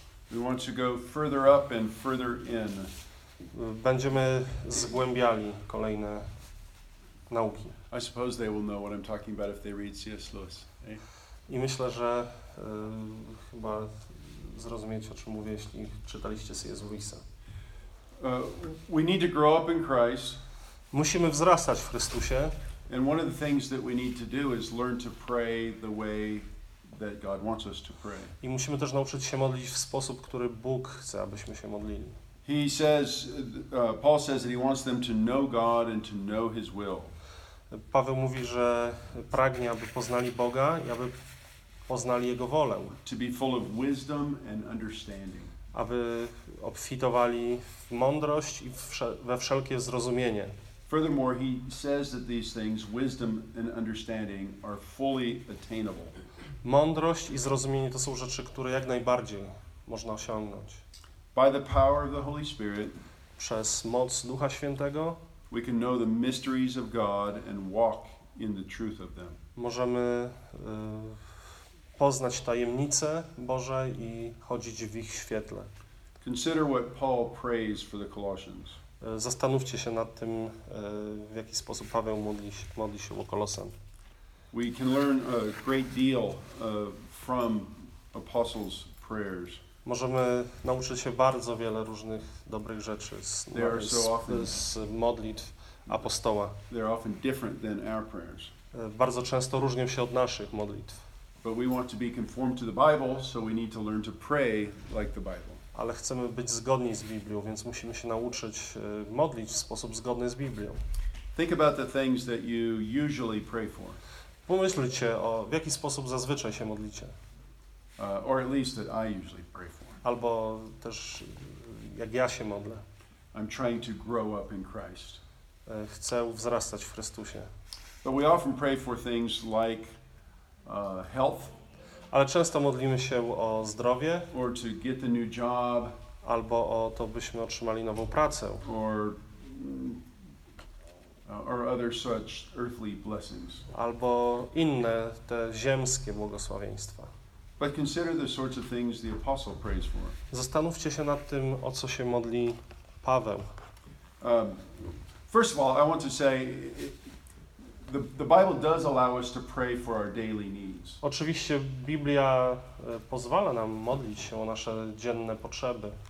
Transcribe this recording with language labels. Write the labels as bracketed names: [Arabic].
[English] we want to go further up and further in. [Polish] Będziemy zgłębiali kolejne nauki. [English] I suppose they will know what I'm talking about if they read C.S. Lewis. [Polish] I myślę, że chyba zrozumiecie, o czym mówię, jeśli czytaliście C.S. Lewisa. [English] We need to grow up in Christ. [Polish] Musimy wzrastać w Chrystusie. [English] And one of the things that we need to do is learn to pray the way that God wants us to pray. [Polish] I musimy też nauczyć się modlić w sposób, który Bóg chce, abyśmy się modlili. [English] He says, Paul says that he wants them to know God and to know His will. [Polish] Paweł mówi, że pragnie, aby poznali Boga i aby poznali Jego wolę. [English] To be full of wisdom and understanding. [Polish] Aby obfitowali w mądrość i we wszelkie zrozumienie. [English] Furthermore, he says that these things, wisdom and understanding, are fully attainable. [Polish] Mądrość i zrozumienie to są rzeczy, które jak najbardziej można osiągnąć. [English] By the power of the Holy Spirit, [Polish] przez moc Ducha Świętego, [English] we can know the mysteries of God and walk in the truth of them. [Polish] Możemy poznać tajemnice Boże i chodzić w ich świetle. [English] Consider what Paul prays for the Colossians. [Polish] Zastanówcie się nad tym, w jaki sposób Paweł modli się o Kolosan. [English] We can learn a great deal from apostles' prayers. [Polish] Możemy nauczyć się bardzo wiele różnych dobrych rzeczy z modlitw apostoła. [English] They're often different than our prayers. [Polish] Bardzo często różnią się od naszych modlitw. [English] But we want to be conformed to the Bible, so we need to learn to pray like the Bible. [Polish] Ale chcemy być zgodni z Biblią, więc musimy się nauczyć modlić w sposób zgodny z Biblią. [English] Think about the things that you usually pray for. [Polish] Pomyślcie o w jaki sposób zazwyczaj się modlicie. [English] Or at least that I usually pray for. [Polish] Albo też jak ja się modlę. [English] I'm trying to grow up in Christ. [Polish] Chcę wzrastać w Chrystusie. [English] But we often pray for things like health. [Polish] Ale często modlimy się o zdrowie, [English] or to get the new job, [Polish] albo o to, byśmy otrzymali nową pracę, [English] or other such earthly blessings. [Polish] Albo inne te ziemskie błogosławieństwa. [English] But consider the sorts of things the apostle prays for. [Polish] Zastanówcie się nad tym, o co się modli Paweł. [English] First of all, I want to say the Bible does allow us to pray for our daily needs. [Polish] Oczywiście Biblia pozwala nam modlić się o nasze dzienne potrzeby.